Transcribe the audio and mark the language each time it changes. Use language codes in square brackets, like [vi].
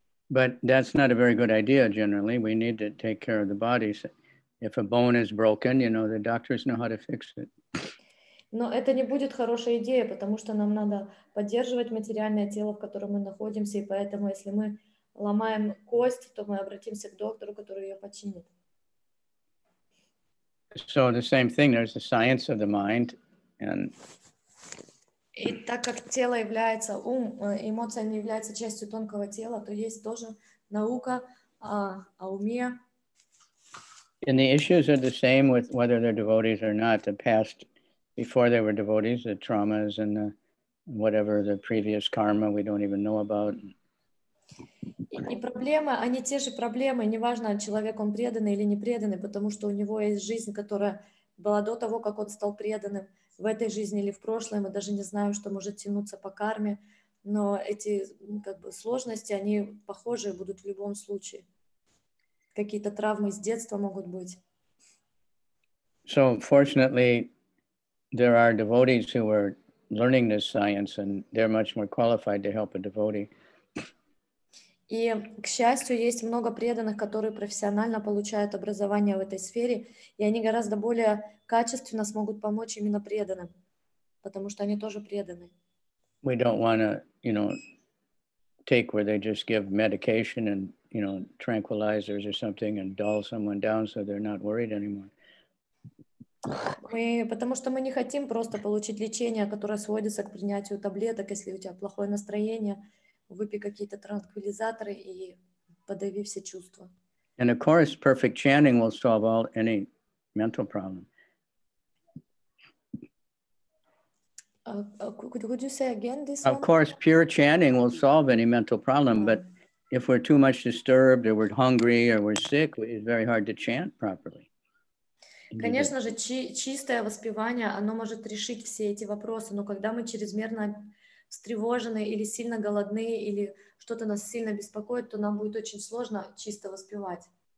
[en] But that's not a very good idea generally. We need to take care of the body. If a bone is broken, you know, the doctors know how to fix it. [ru] Но это не будет хорошая идея, потому что нам надо поддерживать материальное тело, в котором мы находимся, и поэтому, если мы ломаем кость, то мы обратимся к доктору, который ее починит. [en] So the same thing, there's the science of the mind. And... [ru] И так как тело является ум, эмоция не является частью тонкого тела, то есть тоже наука о уме. [en] And the issues are the same with whether they're devotees or not, the past before they were devotees, the traumas and the, whatever the previous karma we don't even know about. [ru] И проблемы, они те же проблемы, неважно, человек он преданный или не преданный, потому что у него есть жизнь, которая была до того, как он стал преданным в этой жизни или в прошлой, мы даже не знаем, что может тянуться по карме, но эти как бы сложности, они похожие будут в любом случае. Какие-то травмы с детства могут быть. [en] So, fortunately, there are devotees who are learning this science and they're much more qualified to help a devotee. [ru] И, к счастью, есть много преданных, которые профессионально получают образование в этой сфере, и они гораздо более качественно смогут помочь именно преданным, потому что они тоже преданы. [en] We don't want to, you know, take where they just give medication and, you know, tranquilizers or something and dull someone down so they're not worried anymore. [ru] Мы, потому что мы не хотим просто получить лечение, которое сводится к принятию таблеток, если у тебя плохое настроение, выпей какие-то транквилизаторы и подави все чувства. [en] And of course, perfect chanting will solve all any mental problem. Could you say again this? Of course, pure chanting will solve any mental problem, but if we're too much disturbed, or we're hungry, or we're sick, it's very hard to chant properly. [ru] Конечно же, чистое воспевание, оно может решить все эти вопросы, но когда мы чрезмерно встревожены или сильно голодны, или что-то нас сильно беспокоит, то нам будет очень сложно чисто воспевать.